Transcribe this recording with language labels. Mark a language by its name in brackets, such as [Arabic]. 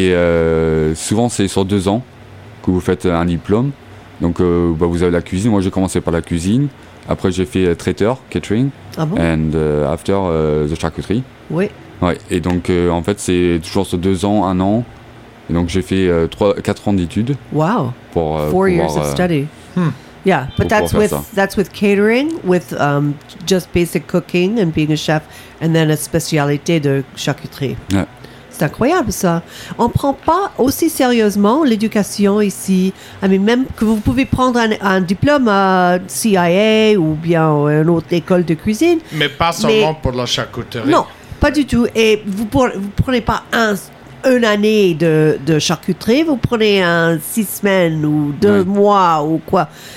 [French] Et souvent, c'est sur deux ans que vous faites un diplôme. Donc, vous avez la cuisine. Moi, j'ai commencé par la cuisine. Après, j'ai fait traiteur, catering. Ah bon? [English] And after, the charcuterie. [French] Oui. Ouais. Et donc, en fait, c'est toujours sur deux ans, un an. Et donc, j'ai fait quatre ans d'études. Wow. Pour, [English] four [French] pouvoir, [English] years of study. Hmm. Yeah, but that's with catering, with just basic cooking and being a chef, and then a [French] spécialité de charcuterie. [English] Yeah. [French] C'est incroyable, ça. On ne prend pas aussi sérieusement l'éducation ici. [English] I mean, [French] même que vous pouvez prendre un diplôme à CIA ou bien à une autre école de cuisine. Mais pas seulement pour la charcuterie. Non, pas du tout. Et vous ne prenez pas une année de charcuterie, vous prenez six semaines ou deux oui. mois ou quoi.